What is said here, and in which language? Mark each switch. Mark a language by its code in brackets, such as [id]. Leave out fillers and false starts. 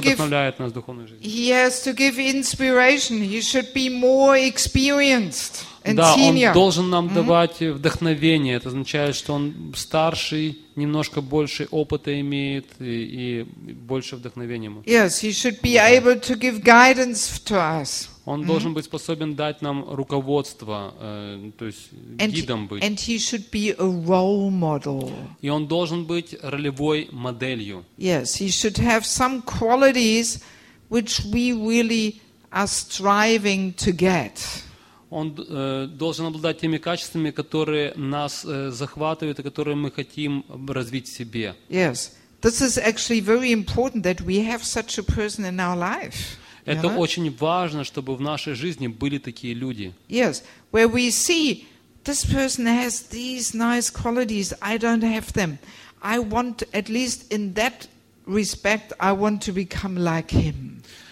[en] He has to give inspiration. He should be more experienced and senior. [ru] Да, он должен нам давать вдохновение. Это означает, что он старший, немножко больше опыта имеет и больше вдохновения. [en] Yes, he should be able to give guidance to us. [ru] Он должен быть способен дать нам руководство, то есть гидом быть. [en] And he should be a role model. [ru] И он должен быть ролевой моделью. [en] Yes, he should have some qualities which we really are striving to get. [ru] Он должен обладать теми качествами, которые нас захватывают и которые мы хотим развить в себе. [en] Yes, this is actually very important that we have such a person in our life. [ru] Это очень важно, чтобы в нашей жизни были такие люди. [en] Yes, where we see this person has these nice qualities, I don't have them. I want at least in that respect, I want to become like him.